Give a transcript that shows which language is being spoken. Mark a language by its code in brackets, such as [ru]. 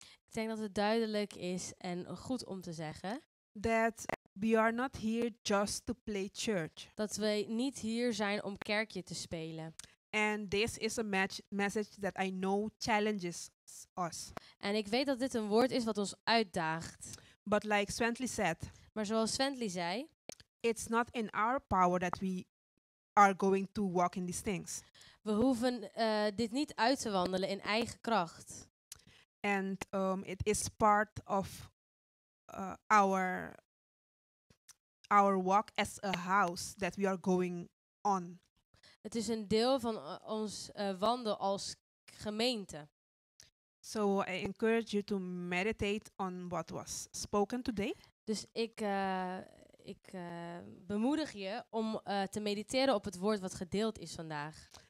[nl] Ik denk dat het duidelijk is en goed om te zeggen. [en] That we are not here just to play church. [nl] Dat wij niet hier zijn om kerkje te spelen. [en] And this is a message that I know challenges us. [nl] En ik weet dat dit een woord is wat ons uitdaagt. [en] But like Swently said. [nl] Maar zoals Swently zei, [en] it's not in our power that we are going to walk in these things. [nl] We hoeven dit niet uit te wandelen in eigen kracht. [en] And it is part of our walk as a house that we are going on. [nl] Het is een deel van ons wandel als gemeente. [en] So I encourage you to meditate on what was spoken today. [nl] Dus ik bemoedig je om te mediteren op het woord wat gedeeld is vandaag.